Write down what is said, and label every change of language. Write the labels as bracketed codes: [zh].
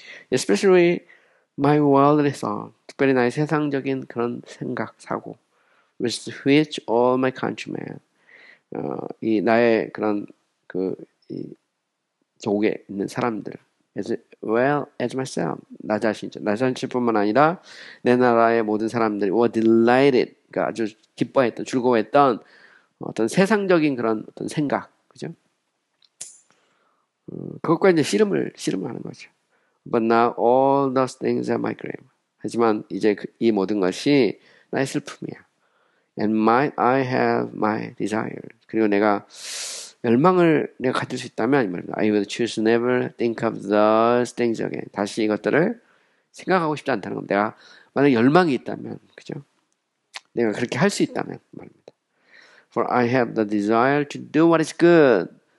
[en] Especially my worldly thought, [ko] 특별히 나의 세상적인 그런 생각, 사고, [en] with which all my countrymen, [ko] 이 나의 그런 이 조국에 있는 사람들, [en] as well as myself, [ko] 나 자신이죠. 나 자신뿐만 아니라 내 나라의 모든 사람들이 [en] were delighted, [ko] 그러니까 아주 기뻐했던, 즐거워했던 어떤 세상적인 그런 어떤 생각, 그죠? 그것과 이제 씨름을 하는 거죠. [en] But now all those things are my grief. [ko] 하지만 이제 이 모든 것이 나의 슬픔이야. [en] And might I have my desire? [ko] 그리고 내가 열망을 내가 가질 수 있다면 이 말입니다. [en] I will choose never think of those things again. [ko] 다시 이것들을 생각하고 싶지 않다는 겁니다. 내가 만약 열망이 있다면, 그죠? 내가 그렇게 할수 있다면 말입니다. [en] For I have the desire to do what is good.